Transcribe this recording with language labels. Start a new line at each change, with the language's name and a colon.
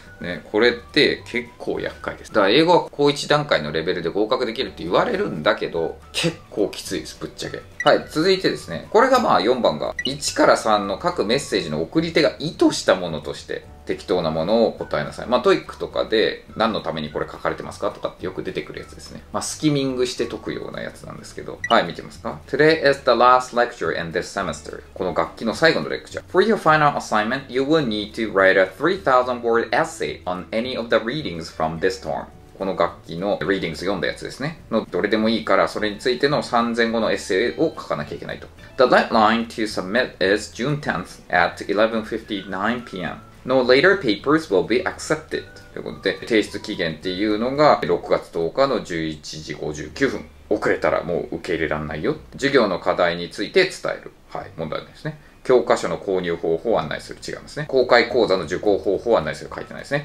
Japanese: ね、これって結構厄介です。だから英語は高1段階のレベルで合格できるって言われるんだけど、結構きついです、ぶっちゃけ。はい、続いてですね、これがまあ4番が、1から3の各メッセージの送り手が意図したものとして適当なものを答えなさい。まあ、トイックとかで何のためにこれ書かれてますかとかってよく出てくるやつですね。まあ、スキミングして解くようなやつなんですけど。はい、見てますか。
English: Today is the last lecture in this semester.
Japanese: この学期の最後のレクチャー。
English: For your final assignment, you will need to write a 3000 word essay on any of the readings from this term.
Japanese: この楽器の readings 読んだやつですね。のどれでもいいから、それについての3000語のエッセイを書かなきゃいけないと。
English: The deadline to submit is June 10th at 11:59 p.m. No later papers will be accepted.
Japanese: ということで、提出期限っていうのが6月10日の11時59分。遅れたらもう受け入れられないよ。授業の課題について伝える。はい、問題ですね。教科書の購入方法を案内する。違いますね。公開講座の受講方法を案内する。書いてないですね。